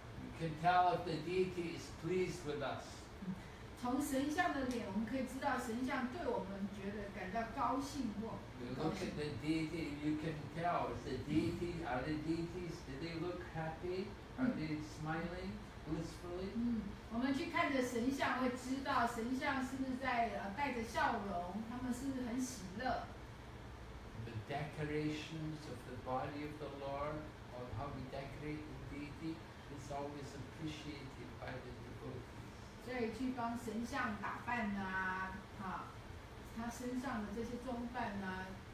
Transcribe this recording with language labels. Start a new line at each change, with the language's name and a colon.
English: You can tell if the deity is pleased with us.
Chinese: 从神像的脸，我们可以知道神像对我们觉得感到高兴或。
English: You look at the deity, you can tell. Is the deity, are the deities, do they look happy? Are they smiling blissfully?
Chinese: 我们去看着神像，会知道神像是不是在带着笑容，他们是不是很喜乐。
English: The decorations of the body of the Lord, or how we decorate the deity, is always appreciated by the devotees.
Chinese: 所以去帮神像打扮啊，他身上的这些装扮啊。